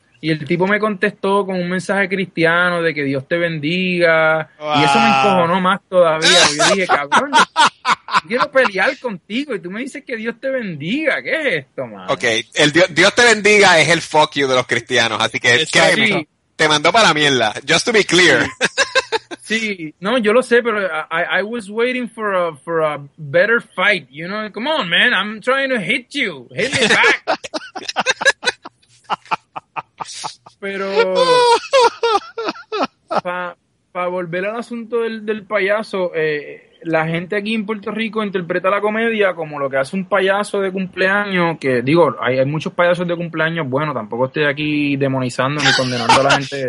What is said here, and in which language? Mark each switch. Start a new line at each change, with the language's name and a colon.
Spanish: Y el tipo me contestó con un mensaje cristiano de que Dios te bendiga. Wow. Y eso me encojonó más todavía. Y yo dije, cabrón, quiero pelear contigo y tú me dices que Dios te bendiga. ¿Qué es esto, man? Ok, el Dios te bendiga es el
English: fuck you
Spanish: de los cristianos. Así que créeme, sí. Te mandó para la mierda.
English: Just to be clear.
Spanish: Sí, no, yo lo sé, pero
English: I was waiting for a better fight. You know, come on, man, I'm trying to hit you. Hit me back.
Spanish: Pero para volver al asunto del payaso, la gente aquí en Puerto Rico interpreta la comedia como lo que hace un payaso de cumpleaños, que digo, hay muchos payasos de cumpleaños, bueno, tampoco estoy aquí demonizando ni condenando a la gente.